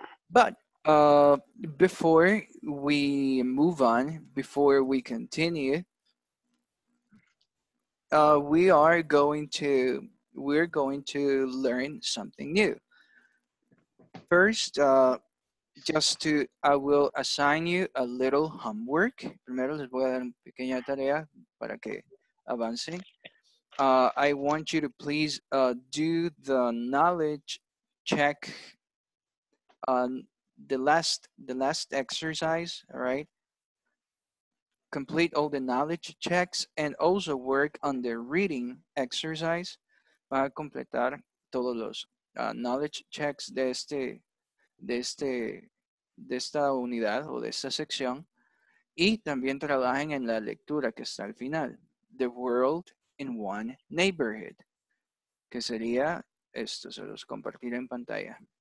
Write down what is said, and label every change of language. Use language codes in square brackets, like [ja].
[en] But before we move on, before we continue, we're going to learn something new. First, I will assign you a little homework. [es] Primero les voy a dar una pequeña tarea para que avancen. [en] I want you to please do the knowledge check on the last exercise, all right? Complete all the knowledge checks and also work on the reading exercise. [es] Va a completar todos los knowledge checks de esta unidad o de esta sección, y también trabajen en la lectura que está al final, The World in One Neighborhood, que sería esto, se los compartiré en pantalla.